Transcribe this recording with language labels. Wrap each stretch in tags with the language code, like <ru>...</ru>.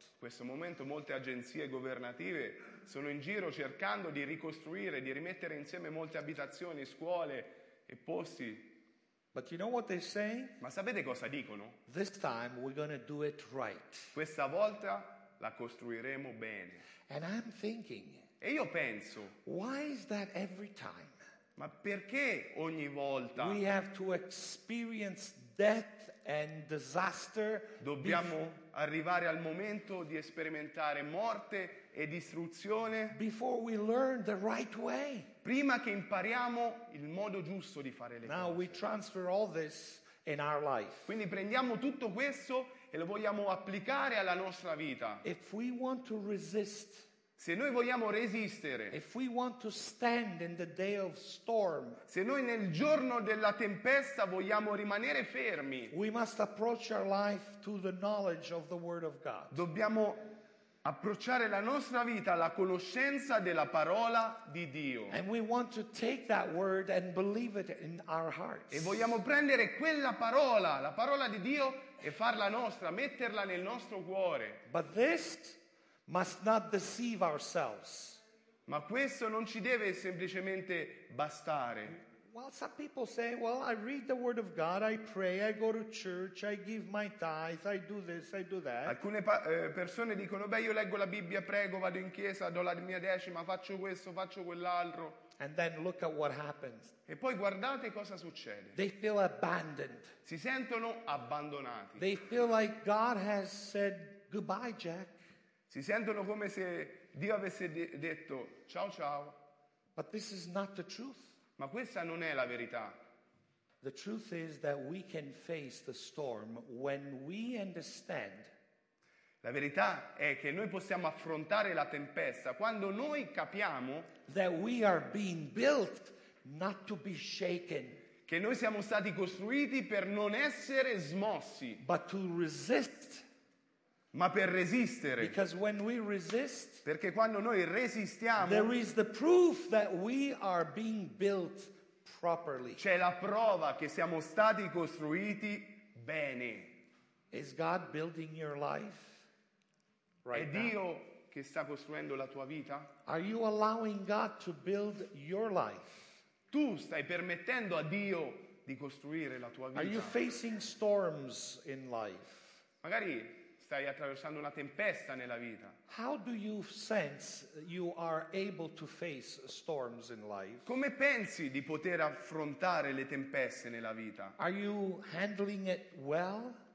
<it>In questo momento molte agenzie governative sono in giro cercando di ricostruire, di rimettere insieme molte abitazioni, scuole e posti.</it> <en>But you know what they say?</en> <it>Ma sapete cosa dicono?</it> <en>This time we're going to do it right.</en> <it>Questa volta la costruiremo bene.</it> <en>And I'm thinking.</en> <it>E io penso.</it> <en>Why is that every time?</en> <it>Ma perché ogni volta</it> <en>we have to experience death and disaster?</en> <it>Dobbiamo arrivare al momento di sperimentare morte e distruzione</it> <en>before we learn the right way.</en> <it>Prima che impariamo il modo giusto di fare le</it> <en>now</en> <it>cose.</it> <en>We transfer all this in our life.</en> <it>Quindi prendiamo tutto questo e lo vogliamo applicare alla nostra vita.</it> <en>If we want to resist,</en> <it>se noi vogliamo resistere,</it> <en>if we want to stand in the day of storm,</en> <it>se noi nel giorno della tempesta vogliamo rimanere fermi,</it> <en>we must approach our life to the knowledge of the word of God.</en> <it>Dobbiamo approcciare la nostra vita alla conoscenza della parola di Dio.</it> <en>And we want to take that word and believe it in our hearts.</en> <it>E vogliamo prendere quella parola, la parola di Dio, e farla nostra, metterla nel nostro cuore.</it> <en>But this must not deceive ourselves.</en> <it>Ma questo non ci deve semplicemente bastare.</it> <en>Well, some people say, well, I read the word of God, I pray, I go to church, I give my tithe, I do this, I do that.</en> <it>Alcune persone dicono, beh, io leggo la Bibbia, prego, vado in chiesa, do la mia decima, faccio questo, faccio quell'altro.</it> <en>And then look at what happens.</en> <it>E poi guardate cosa succede.</it> <en>They feel abandoned.</en> <it>Si sentono abbandonati.</it> <en>They feel like God has said goodbye, Jack.</en> <it>Si sentono come se Dio avesse detto ciao ciao.</it> <en>But this is not the truth.</en> <it>Ma questa non è la verità.</it> <en>The truth is that we can face the storm when we understand.</en> <it>La verità è che noi possiamo affrontare la tempesta quando noi capiamo</it> <en>that we are being built not to be shaken.</en> <it>Che noi siamo stati costruiti per non essere smossi.</it> <en>But to resist.</en> <it>Ma per resistere.</it> <en>Because when we resist,</en> <it>perché quando noi resistiamo,</it> <en>there is the proof that we are being built properly.</en> <it>C'è la prova che siamo stati costruiti bene.</it> <en>Is God building your life right</en> <it>È Dio</it> <en>now?</en> <it>Che sta costruendo la tua vita?</it> <en>Are you allowing God to build your life?</en> <it>Tu stai permettendo a Dio di costruire la tua vita?</it> <en>Are you facing storms in life?</en> <it>Magari stai attraversando una tempesta nella vita.</it> <en>How do you sense you are able to face storms in life?</en> <it>Come pensi di poter affrontare le tempeste nella vita?</it> <en>Are you handling it well?</en>